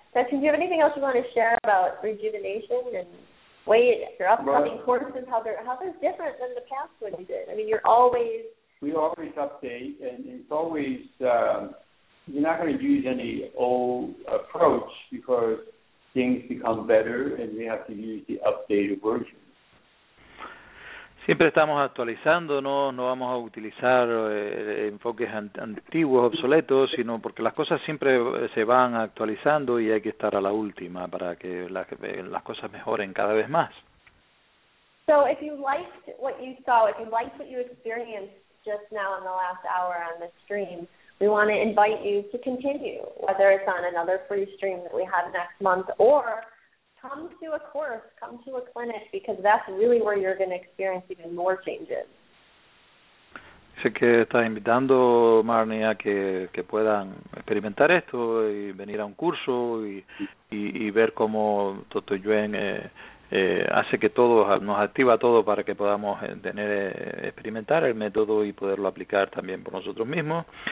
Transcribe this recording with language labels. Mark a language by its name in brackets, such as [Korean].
[English] Now, do you have anything else you want to share about rejuvenation and weight, your upcoming courses, how they're different than the past one you did? I mean, you're always. We always update, and it's always. You're not going to use any old approach because things become better and we have to use the updated version. [Spanish] Siempre estamos actualizando, no vamos a utilizar enfoques antiguos, obsoletos, sino porque las cosas siempre se van actualizando y hay que estar a la última para que las cosas mejoren cada vez más. [English] So if you liked what you saw, if you liked what you experienced just now in the last hour on the stream, we want to invite you to continue, whether it's on another free stream that we have next month, or come to a course, come to a clinic, because that's really where you're going to experience even more changes. [Spanish] Sé que estás invitando, Marnie, a que puedan experimentar esto y venir a un curso y ver cómo Dr. Yuen hace que todo, nos activa todo para que podamos experimentar el método y poderlo aplicar también por nosotros mismos.